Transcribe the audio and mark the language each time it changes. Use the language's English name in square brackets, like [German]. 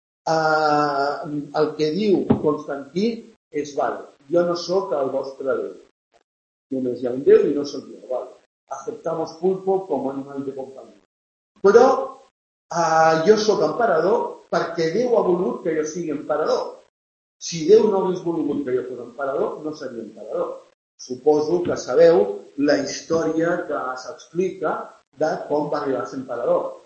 [Catalan] El que diu Constantí és vale, jo no sóc el vostre Déu. Només hi ha un Déu i no sóc jo. Vale. [Spanish] Aceptamos pulpo com animal de compañía. [Catalan] Però jo sóc emperador perquè Déu ha volgut que jo sigui emperador. Si Déu no hagués volgut que jo fos emperador, no seria emperador. Suposo que sabeu la història que s'explica de com va arribar a ser emperador.